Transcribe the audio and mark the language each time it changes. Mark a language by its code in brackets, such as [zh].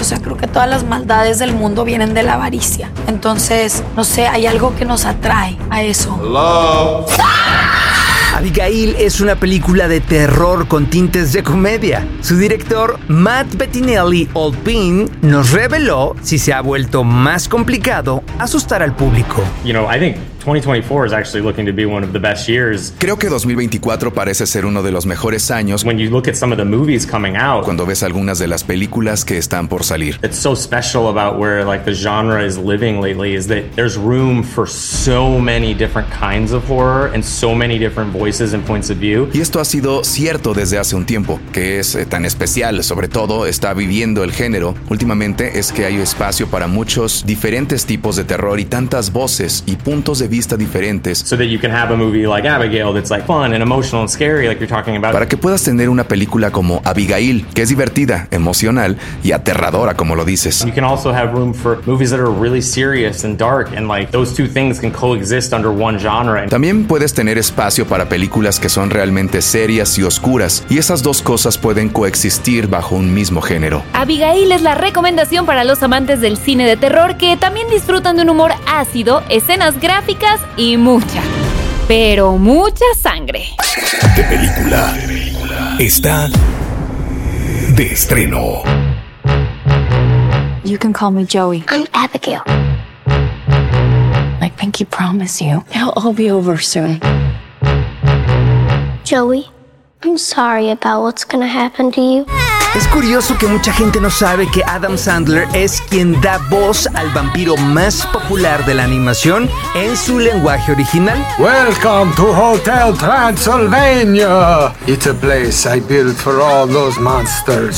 [es] O sea, creo que todas las maldades del mundo vienen de la avaricia. Entonces, no sé, hay algo que nos atrae a eso. [en] Love. [es] Abigail es una película de terror con tintes de comedia. Su director, Matt Bettinelli Oldpin, nos reveló si se ha vuelto más complicado asustar al público. [en] You know, I think 2024 is actually looking to be one of the best years. [es] Creo que 2024 parece ser uno de los mejores años. [en] When you look at some of the movies coming out. [es] Cuando ves algunas de las películas que están por salir. [en] It's so special about where like the genre is living lately is that there's room for so many different kinds of horror and so many different voices and points of view. [es] Y esto ha sido cierto desde hace un tiempo, que es tan especial, sobre todo está viviendo el género últimamente, es que hay espacio para muchos diferentes tipos de terror y tantas voces y puntos de vista vista diferentes. [en] So that you can have a movie like Abigail that's like fun and emotional and scary like you're talking about. [es] Para que puedas tener una película como Abigail, que es divertida, emocional y aterradora como lo dices. [en] You can also have room for movies that are really serious and dark and like those two things can coexist under one genre. [es] También puedes tener espacio para películas que son realmente serias y oscuras y esas dos cosas pueden coexistir bajo un mismo género. Abigail es la recomendación para los amantes del cine de terror que también disfrutan de un humor ácido, escenas gráficas y mucha, pero mucha sangre. De película está de estreno. [en] You can call me Joey. I'm Abigail. Like Pinky promise you. It'll all be over soon. Joey, I'm sorry about what's gonna happen to you. [es] Es curioso que mucha gente no sabe que Adam Sandler es quien da voz al vampiro más popular de la animación en su lenguaje original. [en] Welcome to Hotel Transylvania. It's a place I built for all those monsters.